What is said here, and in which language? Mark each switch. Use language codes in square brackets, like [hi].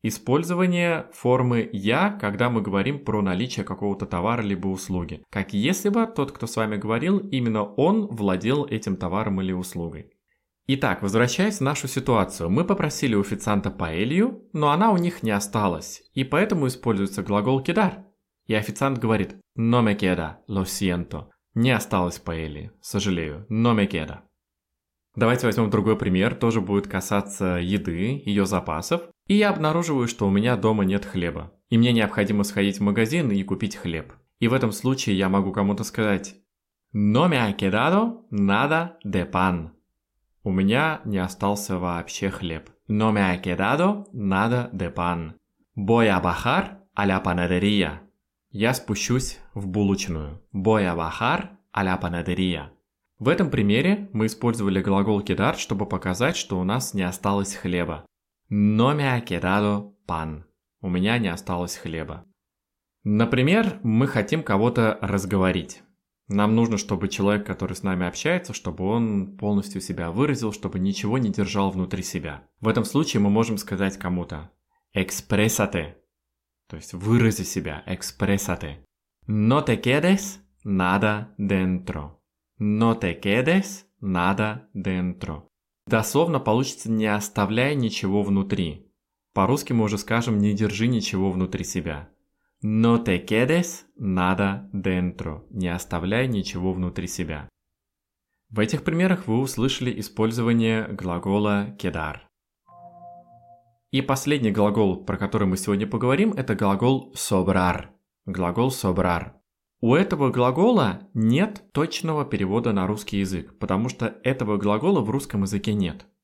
[ru] Использование формы «я», когда мы говорим про наличие какого-то товара либо услуги. Как если бы тот, кто с вами говорил, именно он владел этим товаром или услугой. Итак, возвращаясь в нашу ситуацию, мы попросили у официанта паэлью, но она у них не осталась, и поэтому используется глагол quedar. И официант говорит [es] «no me queda, lo siento». [ru] «Не осталось паэльи, сожалею, [es] no me queda». [ru] Давайте возьмем другой пример, тоже будет касаться еды, ее запасов. И я обнаруживаю, что у меня дома нет хлеба, и мне необходимо сходить в магазин и купить хлеб. И в этом случае я могу кому-то сказать [es] «no me ha quedado nada de pan». [ru] У меня не остался вообще хлеб. [es] No me ha quedado nada de pan. Voy a bajar a la panadería. [ru] Я спущусь в булочную. [es] Voy a bajar a la panadería. [ru] В этом примере мы использовали глагол quedar, чтобы показать, что у нас не осталось хлеба. [es] No me ha quedado pan. [ru] У меня не осталось хлеба. Например, мы хотим кого-то разговорить. Нам нужно, чтобы человек, который с нами общается, чтобы он полностью себя выразил, чтобы ничего не держал внутри себя. В этом случае мы можем сказать кому-то «экспрессате», то есть «вырази себя», «экспрессате». [es] «No te quedes nada dentro». «No te quedes nada dentro». [ru] Дословно получится «не оставляй ничего внутри». По-русски мы уже скажем «не держи ничего внутри себя». [es] No te quedes nada dentro. [ru] Не оставляй ничего внутри себя. В этих примерах вы услышали использование глагола quedar. И последний глагол, про который мы сегодня поговорим, это глагол sobrar. Глагол sobrar. У этого глагола нет точного перевода на русский язык, потому что этого глагола в русском языке нет.